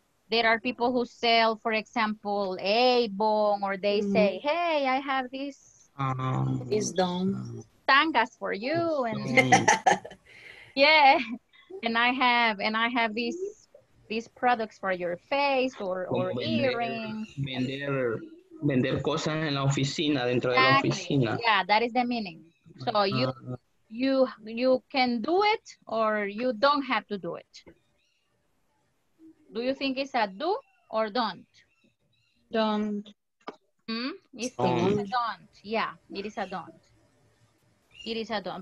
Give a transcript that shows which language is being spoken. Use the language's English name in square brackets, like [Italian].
[English] There are people who sell, for example, a bong, or they say, hey, I have this. It's done. Tangas for you. And yeah. And I have these products for your face or earrings. [Spanish] Vender cosas en la oficina, dentro de la oficina. [English] Yeah, that is the meaning. So you can do it or you don't have to do it. Do you think it's a do or don't? Don't. It's a don't. Yeah, it is a don't. It is a don't.